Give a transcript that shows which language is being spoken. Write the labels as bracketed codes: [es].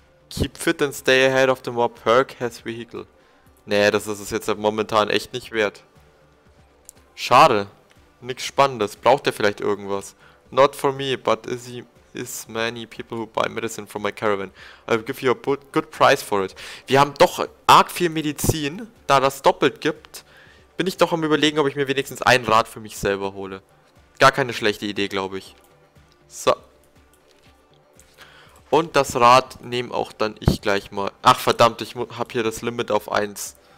[en] Keep fit and stay ahead of the mob. Perk has vehicle. [de] Nee, das ist es jetzt momentan echt nicht wert. Schade. Nichts Spannendes. Braucht er vielleicht irgendwas? [en] Not for me, but is many people who buy medicine from my caravan. I'll give you a good price for it. [de] Wir haben doch arg viel Medizin. Da das doppelt gibt, bin ich doch am Überlegen, ob ich mir wenigstens ein Rad für mich selber hole. Gar keine schlechte Idee, glaube ich. So. Und das Rad nehme auch dann ich gleich mal. Ach verdammt, ich habe hier das Limit auf 1.